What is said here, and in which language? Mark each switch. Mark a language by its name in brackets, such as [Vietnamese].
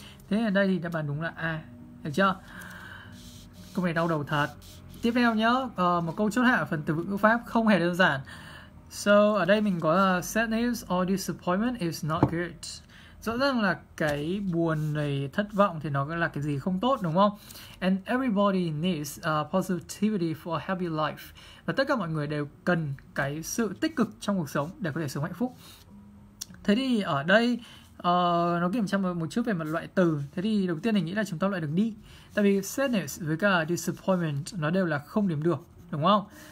[Vietnamese] Thế ở đây thì đáp án đúng là A. Được chưa? Câu này đau đầu thật. Tiếp theo nhớ, một câu chốt hạ ở phần từ vựng ngữ pháp không hề đơn giản. [English] So [Vietnamese] ở đây mình có [English] sadness or disappointment is not good. [Vietnamese] Rõ ràng là cái buồn này, thất vọng thì nó là cái gì không tốt, đúng không? [English] And everybody needs positivity for a happy life. [Vietnamese] Và tất cả mọi người đều cần cái sự tích cực trong cuộc sống để có thể sống hạnh phúc. Thế thì ở đây nó kiểm tra một chút về mặt loại từ. Thế thì đầu tiên mình nghĩ là chúng ta loại được đi, tại vì sadness với cả disappointment nó đều là không điểm được, đúng không?